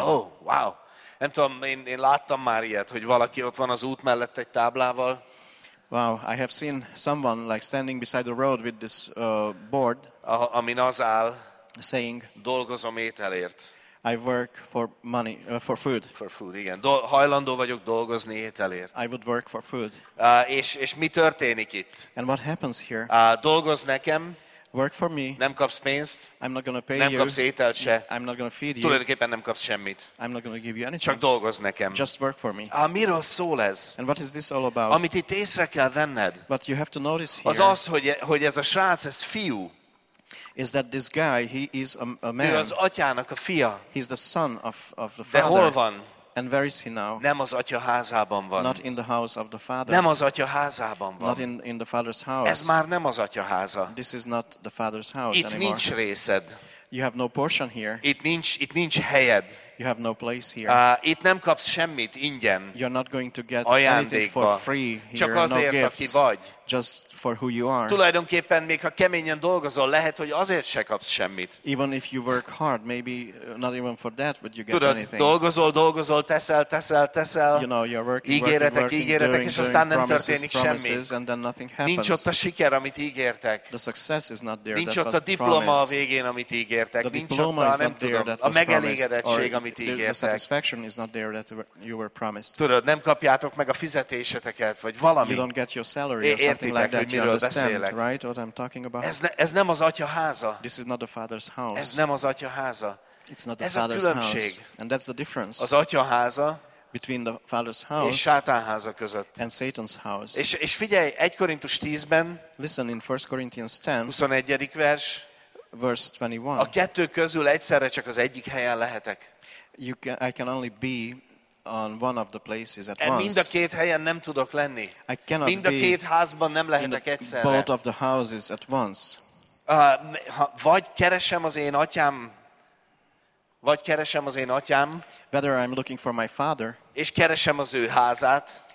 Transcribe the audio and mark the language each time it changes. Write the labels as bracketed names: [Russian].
[Hungarian] Oh, wow. Nem tudom, én láttam már ilyet, hogy valaki ott van az út mellett egy táblával. [English] Wow, I have seen someone like standing beside the road with this board. [Hungarian] Amin az áll, [English] saying, [Hungarian] dolgozom ételért. [English] I work for money, for food. For food, [Hungarian] igen. Hajlandó vagyok dolgozni ételért. [English] I would work for food. [Hungarian] És mi történik itt? [English] And what happens here? [Hungarian] Dolgoz nekem. [English] Work for me. [Hungarian] Nem kapsz pénzt. [English] I'm not going to pay [Hungarian] nem [English] you. [Hungarian] Nem kapsz ételt se. [English] I'm not going to feed you. [Hungarian] Tulajdonképpen nem kapsz semmit. [English] I'm not going to give you anything. [Hungarian] Csak dolgozz nekem. [English] Just work for me. [Hungarian] Miről szól ez? [English] And what is this all about? [Hungarian] Amit itt észre kell venned. [English] What you have to notice here. [Hungarian] Az az, hogy ez a srác, ez fiú. [English] Is that this guy, he is a man. [Hungarian] Ő az atyának a fia. [English] He's the son of the father. [Hungarian] De hol van? [English] And where is he now? [Hungarian] Nem az atya házában van. [English] Not in the house of the father. [Hungarian] Nem az atya házában van. [English] Not in the father's house. [Hungarian] Ez már nem az atya háza. [English] This is not the father's house [Hungarian] itt [English] anymore. [Hungarian] Itt nincs részed. [English] You have no portion here. [Hungarian] Itt nincs helyed. [English] You have no place here. [Hungarian] Itt nem kapsz semmit ingyen. [English] You're not going to get [Hungarian] ajándékba. [English] Anything for free here. [Hungarian] Csak azért, [English] no gifts. [Hungarian] Aki vagy. [English] Just for who you are. [Hungarian] Tulajdonképpen még ha keményen dolgozol, lehet, hogy azért se kapsz semmit. [English] Even if you work hard, maybe not even for that would you get anything. [Hungarian] Dolgozol, teszel. [English] You know, you're working, [Hungarian] ígéretek, [English] doing, [Hungarian] és aztán nem történik semmi. [English] And then nothing happens. [Hungarian] Nincs ott a siker, amit ígértek. [English] The success is not there. [Hungarian] Nincs ott a diploma a végén, amit ígértek. [English] The [Hungarian] nincs ott a, nem tudom, a megelégedettség, amit ígértek. [English] The satisfaction is not there that you were promised. [Hungarian] Tudod, nem kapjátok meg a fizetéseteket, vagy valami. [English] You don't get your salary or something like that. [Hungarian] Miről beszélek? [English] Right, what I'm talking about. [Hungarian] Ez nem az atya háza. [English] This is not the father's house. [Hungarian] Ez nem az atya háza. [English] It's not the [Hungarian] ez [English] father's [Hungarian] a különbség. [English] House. And that's the difference. [Hungarian] Az atya háza [English] between the father's house [Hungarian] és Sátán háza között. [English] And Satan's house. [Hungarian] És figyelj, 1 Korintus 10-ben, [English] listen in 1 Corinthians 10, [Hungarian] 21. vers, [English] verse 21. [Hungarian] A kettő közül egyszerre csak az egyik helyen lehetek. [English] I can only be on one of the places at once. [Hungarian] Mind a két helyen nem tudok lenni. [English] I cannot [Hungarian] mind a két házban nem lehetek egyszerre. [English] Both of the houses at once. [Hungarian] Vagy keresem az én atyám, vagy keresem az én atyám. [English] Whether I'm looking for my father. [Hungarian] És keresem az ő házát.